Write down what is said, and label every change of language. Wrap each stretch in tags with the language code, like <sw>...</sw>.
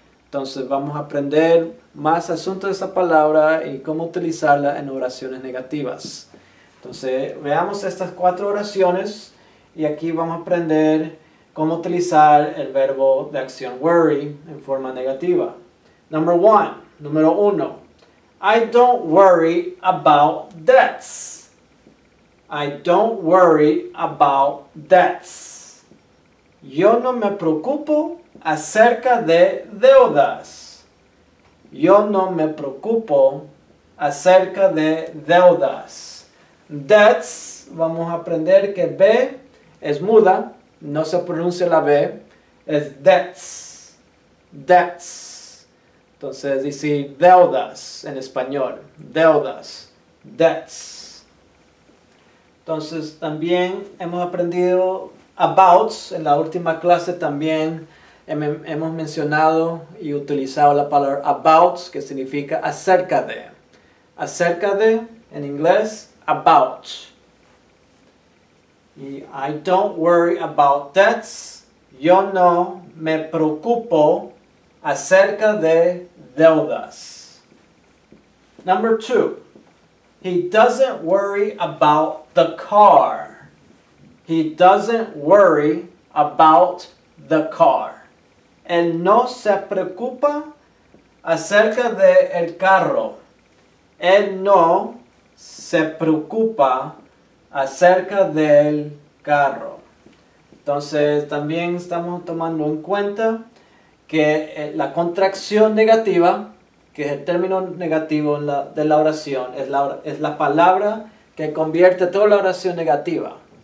<es>Entonces vamos a aprender más asuntos de esa palabra y cómo utilizarla en oraciones negativas. Entonces veamos estas cuatro oraciones y aquí vamos a aprender cómo utilizar el verbo de acción worry en forma negativa. Número uno,</es> <en>I don't worry about debts. I don't worry about debts.</en> <es>Yo no me preocupo acerca de deudas. Yo no me preocupo acerca de deudas. Debts, vamos a aprender que B es muda, no se pronuncia la B, es debts.</es> <en>Debts.</en> <es>Entonces dice deudas en español. Deudas. Debts. Entonces también hemos aprendido about en la última clase también. Hemos mencionado y utilizado la palabra about, que significa acerca de. Acerca de, en inglés, about.</es> <en>Y I don't worry about debts.</en> <es>Yo no me preocupo acerca de deudas.</es> <en>Number two. He doesn't worry about the car. He doesn't worry about the car.</en> <es>Él no se preocupa acerca de el carro. Él no se preocupa acerca del carro. Entonces, también estamos tomando en cuenta que la contracción negativa, que es el término negativo de la oración, es la palabra que convierte toda la oración negativa.</es>